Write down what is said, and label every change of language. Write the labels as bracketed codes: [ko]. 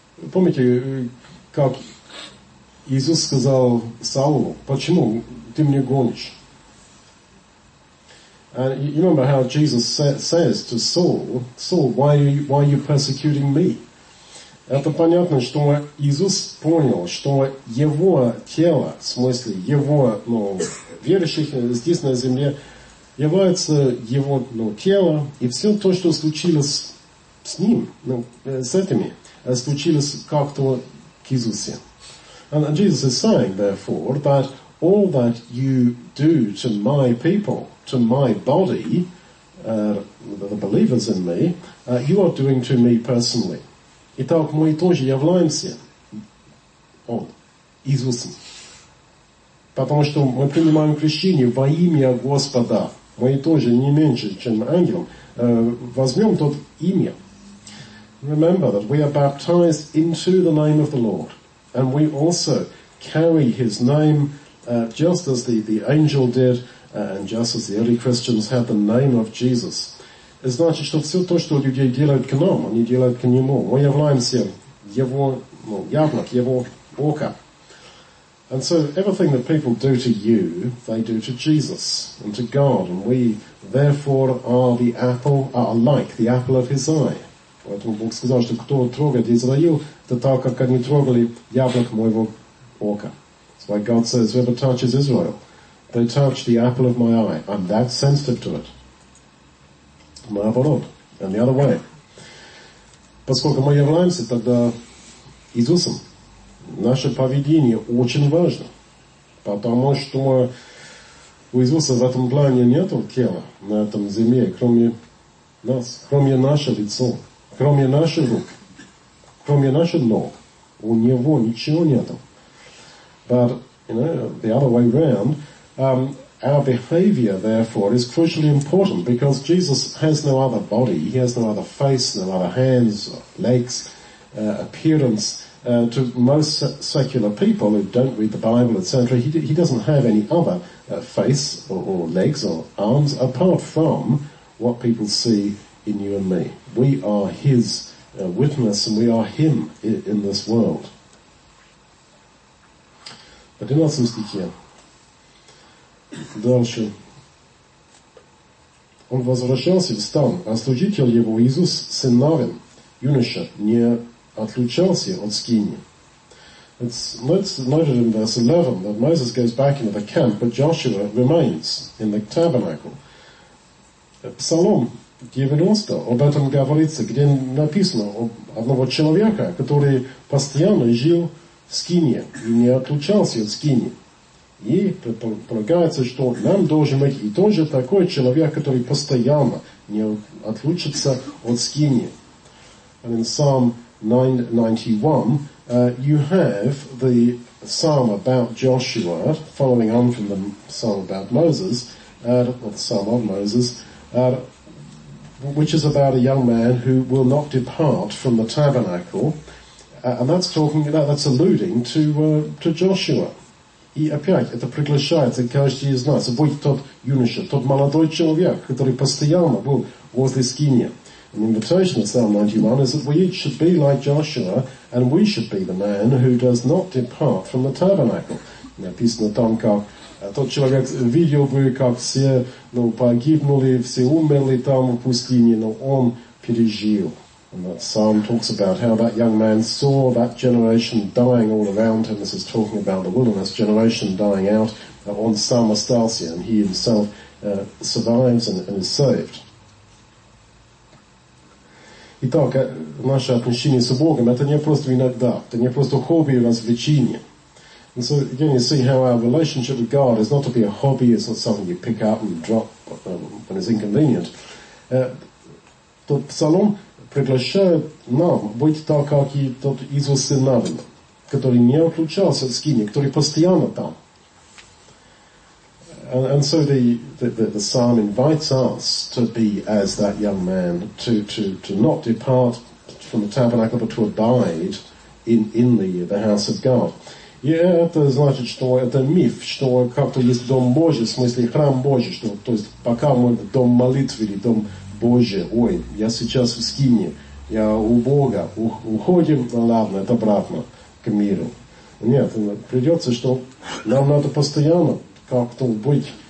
[ru] Помните, как Иисус сказал Саулу, почему ты меня гонишь? [en] And you remember how Jesus says to Saul, "Saul, why are you persecuting me?" [ru] Это понятно, что Иисус понял, что его тело, в смысле его, ну, верующих здесь на земле, является его, ну, тело, и все то, что случилось с ним, ну, с этими, случилось как-то к Иисусе. [en] And Jesus is saying, therefore, that all that you do to my people, to my body, the believers in me, you are doing to me personally. [ru] Итак, мы тоже являемся Он, Иисусом. Потому что мы принимаем крещение во имя Господа. Мы тоже не меньше, чем ангелом. Возьмем тот имя. [en] Remember that we are baptized into the name of the Lord. And we also carry his name just as the angel did and just as the early Christians had the name of Jesus. [ru] Это значит, что все то, что люди делают к нам, они делают к Нему. Мы являемся Его, ну, яблок, Его око. [en] And so everything that people do to you, they do to Jesus and to God. And we, therefore, are like the apple of His eye. [ru] Поэтому Бог сказал, что кто трогает Израил, это так, как они трогали яблок моего ока. [en] That's why God says, whoever touches Israel, they touch the apple of my eye. I'm that sensitive to it. [ru] Наоборот, [en] and the other way. [ru] Поскольку мы являемся тогда Иисусом, наше поведение очень важно. Потому что у Иисуса в этом плане нет тела на этом земле, кроме нас, кроме нашего лица, кроме наших рук, кроме наших ног. У Него ничего нет. [en] But, you know, the other way around, our behavior, therefore, is crucially important because Jesus has no other body, he has no other face, no other hands, legs, appearance. To most secular people who don't read the Bible, etc., he doesn't have any other face or legs or arms apart from what people see in you and me. We are his witness and we are him in this world. [ru] В 11 стихе. Дальше. Он возвращался в стан, а служитель его, Иисус, сын Навин, юноша, не отлучался от скини. [en] It's noted in verse 11 that Moses goes back into the camp, but Joshua remains in the tabernacle. [ru] Псалом 90 об этом говорится, где написано об одного человека, который постоянно жил в скинии и не отлучался от скинии. И предполагается, что нам должен быть и тоже такой человек, который постоянно не отлучится от скинии. [en] And in Psalm 91, you have the psalm about Joshua, following on from the psalm about Moses, or the psalm of Moses, which is about a young man who will not depart from the tabernacle. And that's talking about, that's alluding to Joshua. [ru] И опять, это приглашается каждый из нас. Будь тот юноша, тот молодой человек, который постоянно был возле скинии. [en] An invitation of Psalm 91 is that we each should be like Joshua and we should be the man who does not depart from the tabernacle. [ru] Написано там, как тот человек видел бы, как все, ну, погибнули, все умерли там в пустыне, но он пережил. [en] And that psalm talks about how that young man saw that generation dying all around him. This is talking about the wilderness generation dying out on Psalm Astasia, and he himself survives and is saved. [ru] Итак, наше отношение с Богом, это не просто иногда, это не просто хобби у нас в лечении. [en] And so, again, you see how our relationship with God is not to be a hobby, it's not something you pick up and drop when it's inconvenient. [ru] Тот псалом приглашает нам быть так, как и тот Иисус сын Навина, который не отлучался от скинии, который постоянно там. [en] And so the psalm invites us to be as that young man, to not depart from the tabernacle, but to abide in the house of God. [ru] Yeah, это значит, что это миф, что как-то есть дом Божий, в смысле храм Божий, что, то есть пока мы дом молитвы или дом Божий, ой, я сейчас в скинии, я у Бога, уходим, ну ладно, это обратно к миру. Нет, придется, что нам надо постоянно как-то быть